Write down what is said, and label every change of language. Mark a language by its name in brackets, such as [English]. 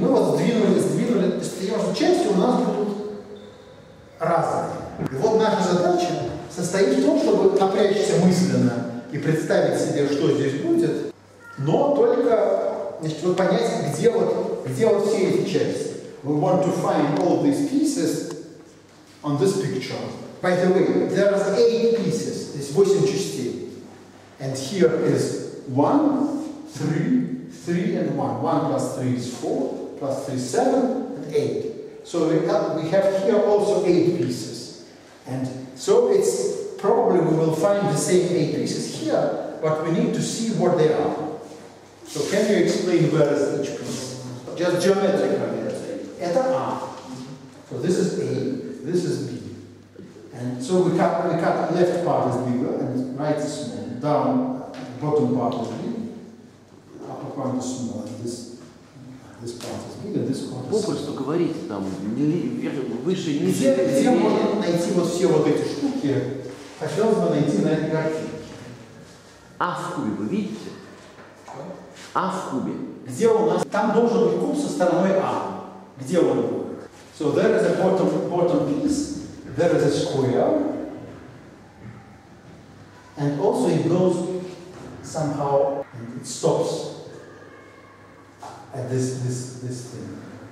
[Russian] Мы вот сдвинули, потому что части у нас будут разные. И вот наша задача состоит в том, чтобы напрячься мысленно и представить себе, что здесь будет, но только. Значит, вот понять, где вот все эти части. [English] We want to find all these pieces on this picture. By the way, there are 8 pieces. There's 8 [Russian] частей. [English] And here is 1, 3, 3 and 1. 1 plus 3 is 4, plus 3 is 7, and 8. So we have here also 8 pieces. And so it's probably we will find the same 8 pieces here, but we need to see what they are. So can you explain where is each piece? Just geometrically, let's say. [Russian] Это А. [English] So this is A, this is B. And so we cut left part is bigger and right is small. Down, bottom part is big, upper part is small, and this part is bigger, this part is [Russian] Попросту говорить там, выше, ниже. Где можно найти вот все вот эти штуки? Хотелось бы найти на этой картинке. А в кубе вы видите? А в кубе. Где у нас? Там должен быть куб со стороной А. Где он будет? [English] So there is a bottom piece, there is a square, And also it goes somehow and it stops at this thing.